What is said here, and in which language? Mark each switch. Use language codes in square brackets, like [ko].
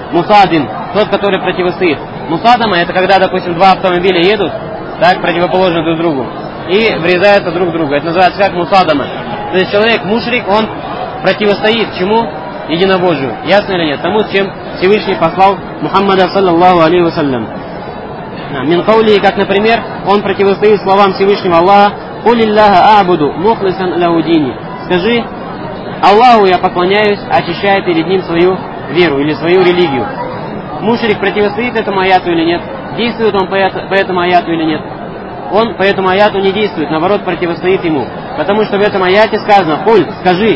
[ru] Мусадим, тот, который противостоит. Мусадама, это когда, допустим, два автомобиля едут, так, противоположно друг другу, и врезаются друг в друга. Это называется как мусадама. То есть человек, мушрик, он противостоит чему? Единобожию. Ясно или нет? Тому, чем Всевышний послал Мухаммада, саллаллаху алейхи ва саллям. [ar] Мин каулихи, [ru] как, например, он противостоит словам Всевышнего Аллаха, [ar] قل الله أعبد مخلصا له ديني. [ru] Скажи, Аллаху я поклоняюсь, очищая перед ним свою веру или свою религию. Мушрик противостоит этому аяту или нет? Действует он по этому аяту или нет? Он по этому аяту не действует, наоборот, противостоит ему. Потому что в этом аяте сказано, «Хуль, скажи».